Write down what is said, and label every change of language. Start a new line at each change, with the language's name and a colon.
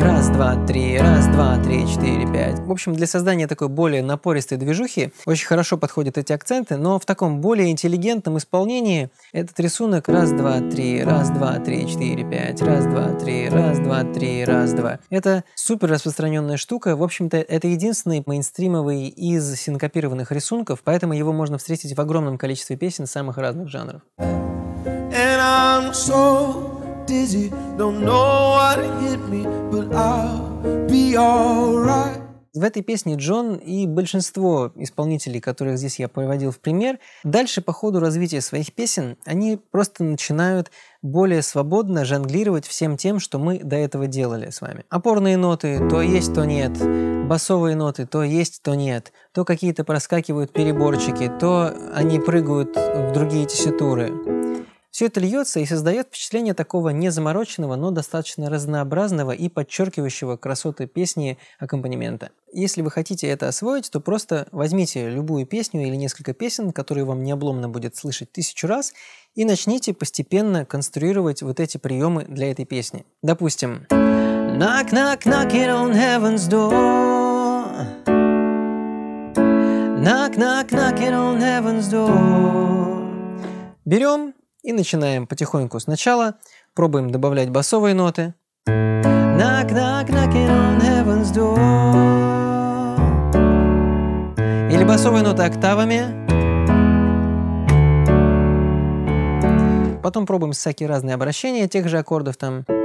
Russian: Раз, два, три, раз, два, три, четыре, пять. В общем, для создания такой более напористой движухи очень хорошо подходят эти акценты, но в таком более интеллигентном исполнении этот рисунок раз, два, три, раз, два, три, четыре, пять, раз, два, три, раз, два, три, раз, два. Это супер распространенная штука. В общем-то, это единственный мейнстримовый из синкопированных рисунков, поэтому его можно встретить в огромном количестве песен самых разных жанров.
English: And I'm so dizzy, don't know what hit me, but I'll be alright.
Russian: В этой песне Джон и большинство исполнителей, которых здесь я приводил в пример, дальше по ходу развития своих песен, они просто начинают более свободно жонглировать всем тем, что мы до этого делали с вами. Опорные ноты то есть, то нет. Басовые ноты то есть, то нет. То какие-то проскакивают переборчики, то они прыгают в другие тесситуры. Все это льется и создает впечатление такого незамороченного, но достаточно разнообразного и подчеркивающего красоты песни аккомпанемента. Если вы хотите это освоить, то просто возьмите любую песню или несколько песен, которые вам необломно будет слышать 1000 раз, и начните постепенно конструировать вот эти приемы для этой песни. Допустим.
English: Knock, knock, knocking on heaven's door. Knock, knock, knocking on heaven's door.
Russian: Берем и начинаем потихоньку сначала. Пробуем добавлять басовые ноты.
English: Knock, knock, knocking on heaven's door.
Russian: Или басовые ноты октавами. Потом пробуем всякие разные обращения тех же аккордов там.